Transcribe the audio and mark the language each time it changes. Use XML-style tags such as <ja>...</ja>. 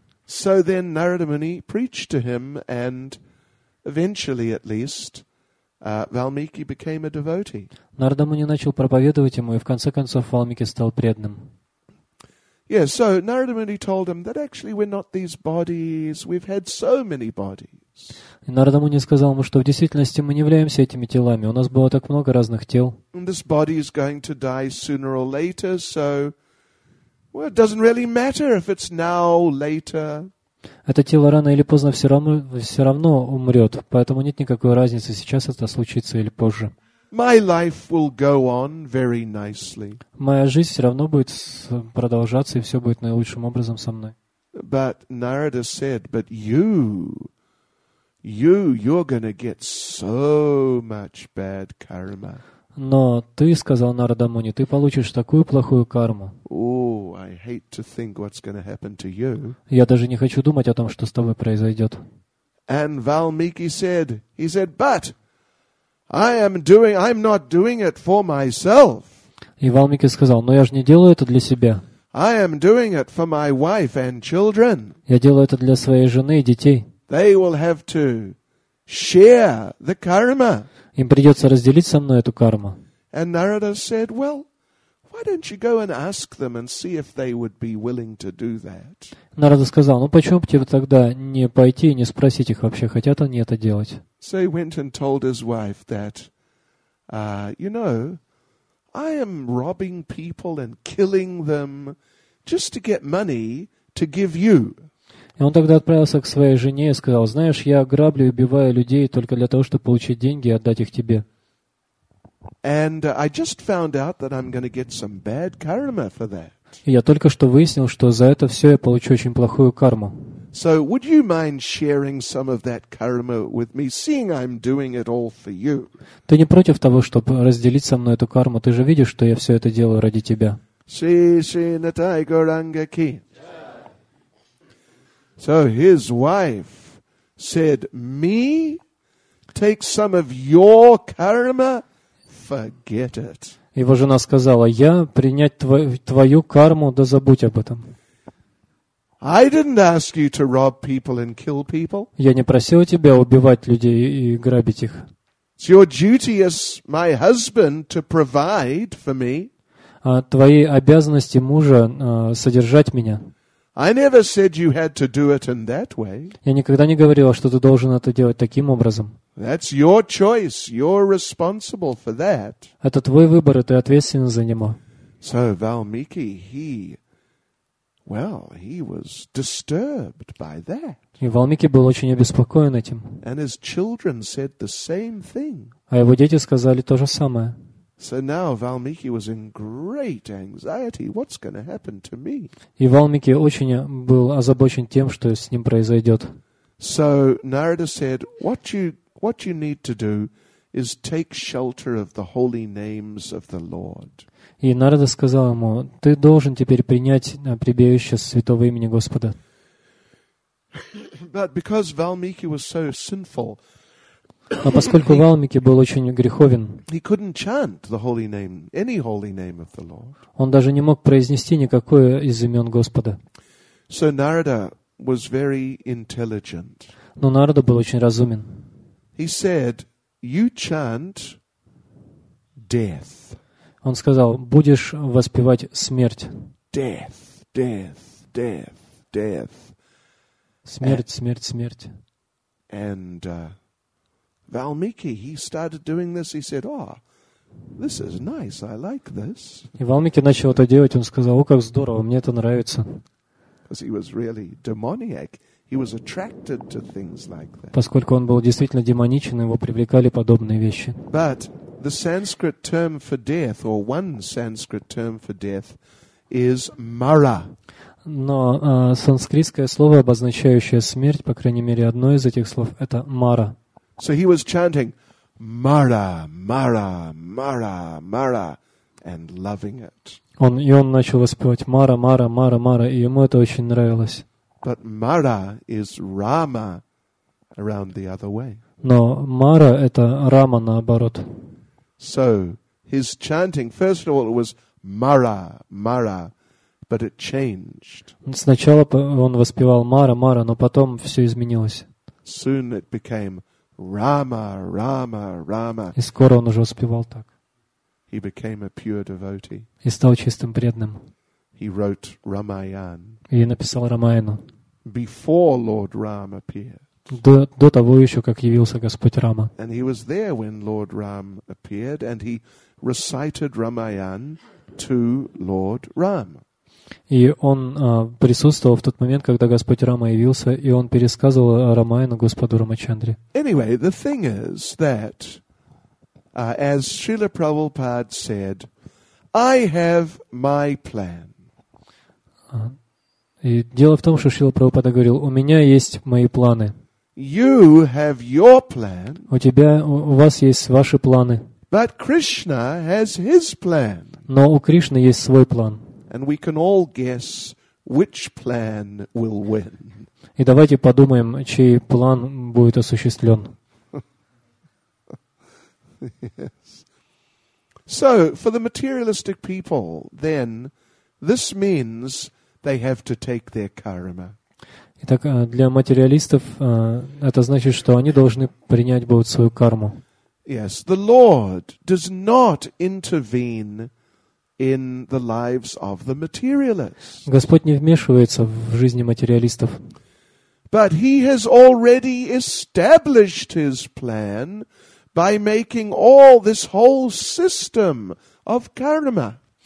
<en>So then Narada Muni preached to him, and eventually, at least, Valmiki became a devotee.</en> <ru>Нарада Муни начал проповедовать ему, и в конце концов Валмики стал преданным.</ru> <en>Yes, so Narada Muni told him that actually we're not these bodies. We've had so many bodies.</en> <ru>И Нарада Муни сказал ему, что в действительности мы не являемся этими телами. У нас было так много разных тел.</ru> <en>And this body is going to die sooner or later, so well, it doesn't really matter if it's now or later.</en> <ru>Это тело рано или поздно все равно умрет, поэтому нет никакой разницы, сейчас это случится или позже.</ru> <en>My life will go on very nicely.</en> <ru>Моя жизнь все равно будет продолжаться, и все будет наилучшим образом со мной.</ru> <en>But Narada said, but you're gonna get so much bad karma.</en> <ru>Но ты сказал Нарада Муни, ты получишь такую плохую карму. Oh, я даже не хочу думать о том, что с тобой произойдет.</ru> <en>And Valmiki said, he said, but I am doing, I'm not doing it for myself.</en> <ru>И Валмики сказал, но я же не делаю это для себя.</ru> <en>I am doing it for my wife and children.</en> <ru>Я делаю это для своей жены и детей.</ru> <en>They will have to share the karma.</en> <ru>Им придется разделить со мной эту карму.</ru> <en>And Narada said, well, why don't you go and ask them and see if they would be willing to do that?</en> <ru>Нарада сказал, ну почему бы тебе тогда не пойти и не спросить их вообще, хотят они это делать?</ru> <en>So he went and told his wife that, you know, I am robbing people and killing them just to get money to give you.</en> <ru>И он тогда отправился к своей жене и сказал, знаешь, я граблю и убиваю людей только для того, чтобы получить деньги и отдать их тебе.</ru> <en>And I just found out that I'm going to get some bad karma for that.</en> <ru>И я только что выяснил, что за это все я получу очень плохую карму.</ru> <en>So would you mind sharing some of that karma with me, seeing I'm doing it all for you?</en> <ru>Ты не против того, чтобы разделить со мной эту карму? Ты же видишь, что я все это делаю ради тебя. Си-си на тайгуранга ки.</ru> <en>So his wife said, me? Take some of your karma? Forget it.</en> <ru>Его жена сказала, я принять твою карму, да забудь об этом.</ru> <en>I didn't ask you to rob people and kill people.</en> <ru>Я не просил тебя убивать людей и грабить их.</ru> <en>It's your duty as my husband to provide for me.</en> <ru>Твои обязанности мужа содержать меня.</ru> <en>I never said you had to do it in that way.</en> <ru>Я никогда не говорила, что ты должен это делать таким образом.</ru> <en>That's your choice. You're responsible for that.</en> <ru>Это твой выбор, и ты ответственен за него.</ru> <en>So Valmiki, he was disturbed by that.</en> <ru>И Валмики был очень обеспокоен этим.</ru> <en>And his children said the same thing.</en> <ru>А его дети сказали то же самое.</ru> <en>So now Valmiki was in great anxiety. What's going to happen to me?</en> <ru>И Валмики очень был озабочен тем, что с ним произойдет.</ru> <en>So Narada said, what you need to do is take shelter of the holy names of the Lord.</en> <ru>И Нарада сказал ему, ты должен теперь принять прибежище святого имени Господа.</ru> <en>But because Valmiki was so sinful,</en> <ru>но поскольку Валмики был очень греховен,</ru> <en>he couldn't chant the holy name, any holy name of the Lord.</en> <ru>Он даже не мог произнести никакое из имен Господа.</ru> <en>So Narada was very intelligent.</en> <ru>Но Нарада был очень разумен.</ru> <en>He said, you chant death.</en> <ru>Он сказал, будешь воспевать смерть.</ru> <en>Death, death, death, death.</en> <ru>Смерть,</ru> <en>and,</en> <ru>смерть, смерть.</ru> <en>And Valmiki, he started doing this. He said, "Oh, this is nice. I like this."</en> <ru>И Валмики начал это делать. Он сказал, "О, как здорово! Мне это нравится."</ru> <en>Because he was really demoniac, he was attracted to things like that.</en> <ru>Поскольку он был действительно демоничен, его привлекали подобные вещи.</ru> <en>But the Sanskrit term for death, or one Sanskrit term for death, is mara.</en> <ru>Но санскритское слово, обозначающее смерть, по крайней мере одно из этих слов, это мара.</ru> <en>So he was chanting mara, mara, mara, mara, and loving it.</en> <ru>Он начал воспевать мара, мара, мара, мара, и ему это очень нравилось.</ru> <en>But mara is rama around the other way.</en> <ru>Но мара это рама наоборот.</ru> <en>So his chanting, first of all, it was mara, mara, but it changed.</en> <ru>Сначала он воспевал мара, мара, но потом все изменилось.</ru> <en>Soon it became Rama, Rama, Rama.</en> <ru>И скоро он уже успевал так.</ru> <en>He became a pure devotee.</en> <ru>И стал чистым преданным.</ru> <en>He wrote Ramayan.</en> <ru>И написал Рамаяну.</ru> <en>Before Lord Ram appeared.</en> <ru>До того еще, как явился Господь Рама.</ru> <en>And he was there when Lord Ram appeared, and he recited Ramayan to Lord Ram.</en> <ru>И он присутствовал в тот момент, когда Господь Рама явился, и он пересказывал Рамаяну Господу Рамачандре.</ru> <en>Anyway, the thing is that, as Srila Prabhupada said, I have my plan.</en> <ru>И дело в том, что Шрила Прабхупада говорил, у меня есть мои планы.</ru> <en>You have your plan.</en> <ru>У вас есть ваши планы.</ru> <en>But Krishna has his plan.</en> <ru>Но у Кришны есть свой план.</ru> <en>And we can all guess which plan will win.</en> <ru>И давайте подумаем, чей план будет осуществлен.</ru> <en>Yes. So, for the materialistic people, then, this means they have to take their karma.</en> <ru>Итак, для материалистов это значит, что они должны принять будут свою карму.</ru> <en>Yes, the Lord does not intervene in the lives of the materialists.</en> <ru>Господь не вмешивается в жизни материалистов.</ru> <en>But he has already established his plan by making all this whole system of karma.</en>